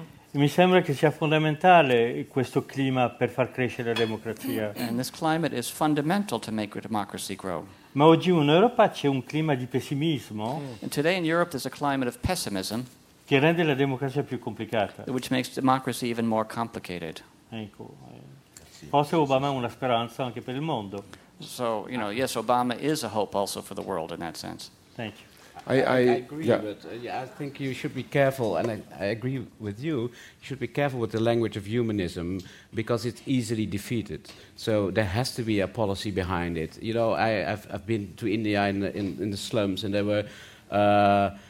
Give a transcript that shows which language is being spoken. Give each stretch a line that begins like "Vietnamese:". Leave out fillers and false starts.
Italian: Mi sembra che sia fondamentale questo clima per far crescere la democrazia.
English: And this climate is fundamental to make democracy grow.
Italian: Ma oggi in Europa c'è un clima di pessimismo.
English: And today in Europe there's a climate of pessimism.
Italian: Che rende la democrazia più complicata.
English: Which makes democracy even more complicated.
Italian: Ecco. Forse Obama è una speranza anche per il mondo.
English: So, you know, yes, Obama is a hope also for the world in that sense. Thank you. I agree, but I think you should be careful, and I agree with you, you should be careful with the language of humanism because it's easily defeated. So there has to be a policy behind it. You know, I've been to India in the slums, and there were...